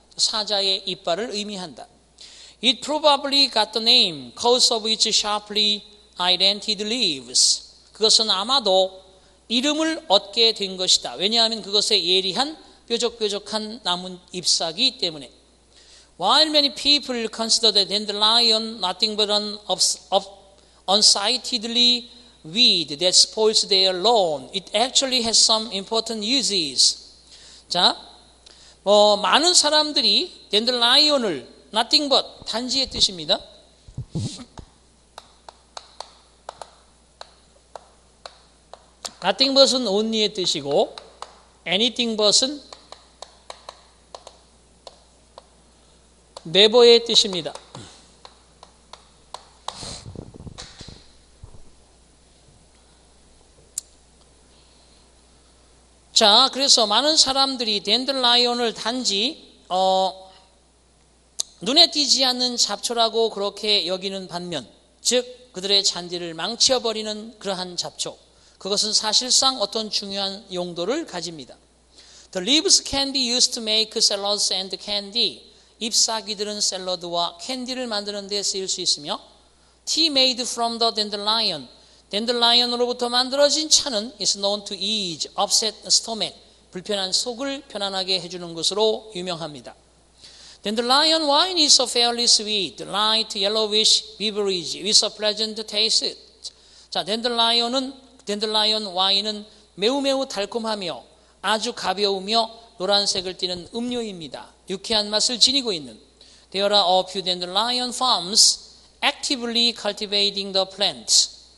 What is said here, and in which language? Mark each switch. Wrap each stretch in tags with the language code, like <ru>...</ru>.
<ko>사자의 이빨을 의미한다.</ko> <en>It probably got the name because of its sharply indented leaves.</en> <ko>그것은 아마도 이름을 얻게 된 것이다. 왜냐하면 그것의 예리한 뾰족뾰족한 나뭇 잎사귀 때문에.</ko> <en>While many people consider the dandelion nothing but an unsightly weed that spoils their lawn, it actually has some important uses.</en> <ko>자, 많은 사람들이 dandelion을 nothing but 단지의 뜻입니다. 'Nothing but'은 only의 뜻이고, 'anything but'은 never의 뜻입니다. 자, 그래서 많은 사람들이 dandelion을 단지 눈에 띄지 않는 잡초라고 그렇게 여기는 반면, 즉 그들의 잔디를 망치어 버리는 그러한 잡초. 그것은 사실상 어떤 중요한 용도를 가집니다.</ko> <en>The leaves can be used to make salads and candy.</en> <ko>잎사귀들은 샐러드와 캔디를 만드는 데 쓰일 수 있으며,</ko> <en>tea made from the dandelion.</en> <ko>dandelion으로부터 만들어진 차는</ko> <en>is known to ease upset stomach.</en> <ko>불편한 속을 편안하게 해주는 것으로 유명합니다.</ko> <en>dandelion wine is a fairly sweet, light yellowish beverage with a pleasant taste.</en> <ko>자, dandelion 와인은 매우 매우 달콤하며 아주 가벼우며 노란색을 띠는 음료입니다. 유쾌한 맛을 지니고 있는.</ko> <en>There are a few dandelion farms actively cultivating the plants.</en>